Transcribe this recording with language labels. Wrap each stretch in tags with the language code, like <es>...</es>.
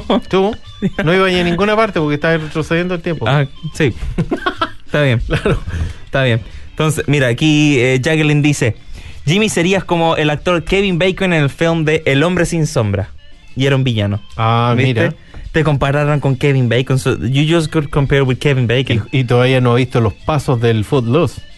<es>¿Tú? No iba a ninguna parte porque estaba retrocediendo el tiempo. Ah, sí. Está bien. Claro. Está bien. Entonces, mira, aquí Jacqueline dice, Jimmy, serías como el actor Kevin Bacon en el film de El Hombre Sin Sombra. Y era un villano. Ah, ¿viste? Mira. Te compararon con Kevin Bacon.</es> <en>So you just could compare with Kevin Bacon.</en> <es>Y todavía no he visto los pasos del Footloose.</es>